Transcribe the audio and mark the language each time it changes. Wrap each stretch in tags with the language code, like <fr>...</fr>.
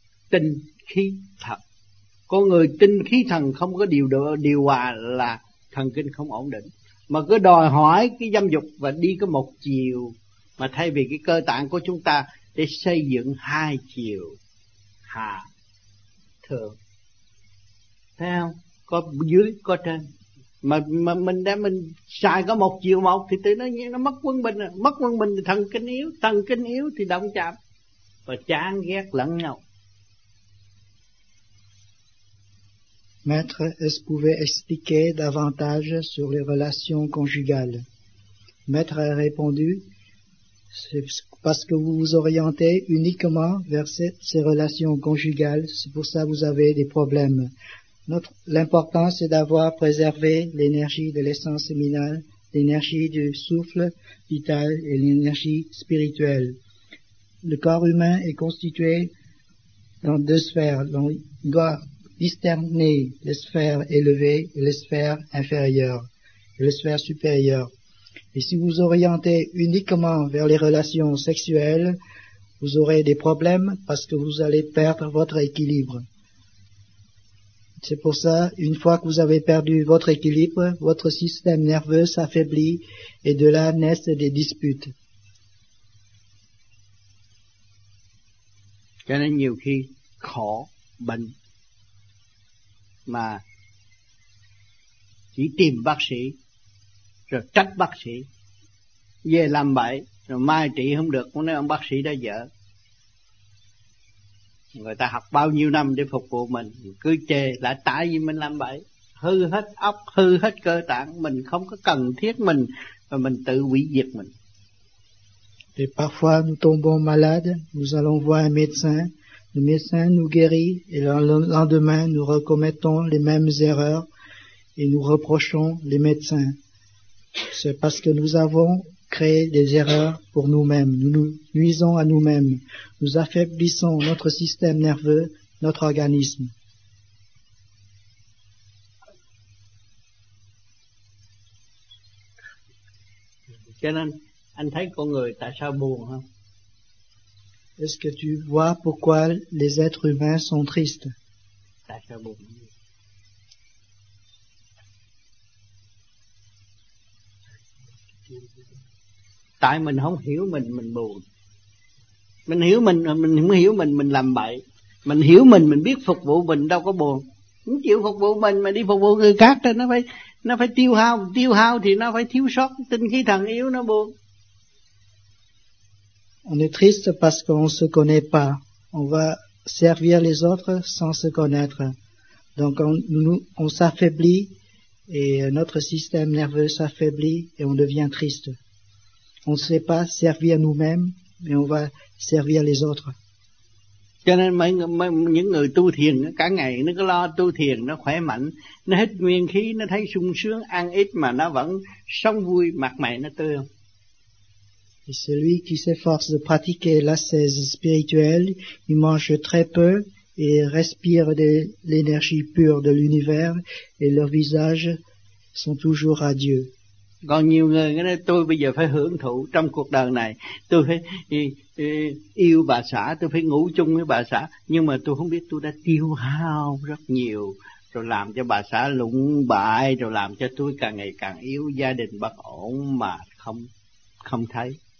<vi>Tình khí thần. Con người tinh khí thần không có điều hòa là thần kinh không ổn định, mà cứ đòi hỏi cái dâm dục và đi cái một chiều, mà thay vì cái cơ tạng của chúng ta để xây dựng hai chiều hạ thượng. Thấy không? Có dưới có trên. Mà mình đem mình xài có một chiều một thì tự nó mất quân bình, mất quân bình thì thần kinh yếu thì động chạm và chán ghét lẫn nhau.</vi> <fr>Maître, est-ce que vous pouvez expliquer davantage sur les relations conjugales? Maître a répondu, c'est parce que vous vous orientez uniquement vers ces relations conjugales, c'est pour ça que vous avez des problèmes. L'important, c'est d'avoir préservé l'énergie de l'essence séminale, l'énergie du souffle vital et l'énergie spirituelle. Le corps humain est constitué dans deux sphères, donc il doit discerner les sphères élevées et les sphères inférieures et les sphères supérieures. Et si vous orientez uniquement vers les relations sexuelles, vous aurez des problèmes parce que vous allez perdre votre équilibre. C'est pour ça, une fois que vous avez perdu votre équilibre, votre système nerveux s'affaiblit et de là naissent des disputes.</fr> <vi>Cho nên nhiều khi khổ, bệnh mà chỉ tìm bác sĩ rồi trách bác sĩ về làm bậy rồi mai trị không được, cũng nói ông bác sĩ đã dở. Người ta học bao nhiêu năm để phục vụ mình, cứ chê là tại vì mình làm bậy, hư hết óc, hư hết cơ tạng, mình không có cần thiết mình và mình tự hủy diệt mình.</vi> <fr>Et parfois nous tombons malades, nous allons voir un médecin, le médecin nous guérit et le lendemain nous recommettons les mêmes erreurs et nous reprochons les médecins. C'est parce que nous avons créé des erreurs pour nous-mêmes, nous nous nuisons à nous-mêmes, nous affaiblissons notre système nerveux, notre organisme.</fr> <vi>Anh thấy con người tại sao buồn không?</vi> <fr>Est-ce que tu vois pourquoi les êtres humains sont tristes?</fr> <vi>Tại sao buồn? Tại mình không hiểu mình buồn. Mình hiểu mình không hiểu mình làm bậy. Mình hiểu mình biết phục vụ mình đâu có buồn. Không chịu phục vụ mình mà đi phục vụ người khác thì nó phải tiêu hao thì nó phải thiếu sót tinh khí thần yếu nó buồn.</vi> <fr>On est triste parce qu'on ne se connaît pas. On va servir les autres sans se connaître. Donc on s'affaiblit et notre système nerveux s'affaiblit et on devient triste. On ne sait pas servir nous-mêmes, mais on va servir les autres.</fr> <vi>Cho nên những người tu thiền cả ngày nó cứ lo tu thiền, nó khỏe mạnh, nó hết nguyên khí, nó thấy sung sướng, ăn ít mà nó vẫn sống vui, mặt mày nó tươi.</vi> <fr>Et celui qui s'efforce de pratiquer l'ascèse spirituelle, il mange très peu et respire de l'énergie pure de l'univers et leurs visages sont toujours radieux.</fr> <vi>Còn nhiều người nói tôi bây giờ phải hưởng thụ trong cuộc đời này, tôi phải yêu bà xã, tôi phải ngủ chung với bà xã, nhưng mà tôi không biết tôi đã tiêu hao rất nhiều, rồi làm cho bà xã lụng bại, rồi làm cho tôi càng ngày càng yếu, gia đình bất ổn mà không thấy.</vi>